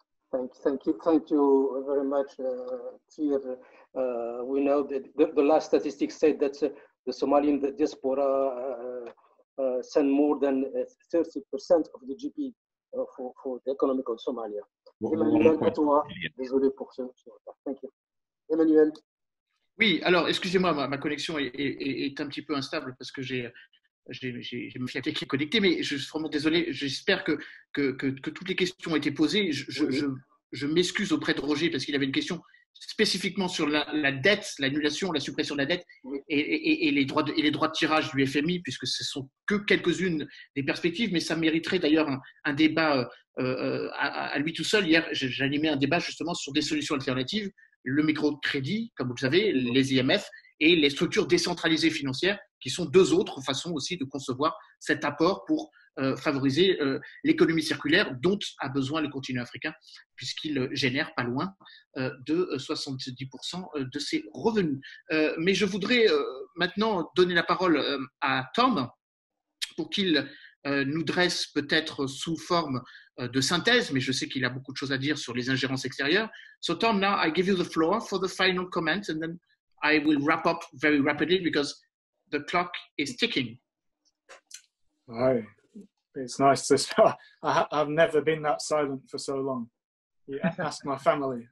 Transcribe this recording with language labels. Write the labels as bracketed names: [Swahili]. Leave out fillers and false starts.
[English] Thank you very much, Thierry. We know that the last statistics said that the Somalian diaspora send more than 30% of the GDP for the economic of Somalia. [French] Emmanuel, désolé pour ça. [English] Thank you. [French] Emmanuel. Oui, alors, excusez-moi, ma connexion est un petit peu instable parce que j'ai me fait qui est connecté, mais je suis vraiment désolé. J'espère que toutes les questions ont été posées. Je m'excuse auprès de Roger parce qu'il avait une question spécifiquement sur la dette, l'annulation, la suppression de la dette et les droits de tirage du FMI, puisque ce sont que quelques-unes des perspectives, mais ça mériterait d'ailleurs un débat à lui tout seul. Hier, j'animais un débat justement sur des solutions alternatives, le microcrédit, comme vous le savez, les IMF et les structures décentralisées financières, qui sont deux autres façons aussi de concevoir cet apport pour favoriser l'économie circulaire dont a besoin le continent africain, puisqu'il génère pas loin de 70% de ses revenus. Mais je voudrais maintenant donner la parole à Tom pour qu'il nous dresse peut-être sous forme de synthèse, mais je sais qu'il a beaucoup de choses à dire sur les ingérences extérieures. [English] So Tom, now I give you the floor for the final comment and then I will wrap up very rapidly because the clock is ticking. Hi. It's nice to start. I've never been that silent for so long. Yeah, ask my family.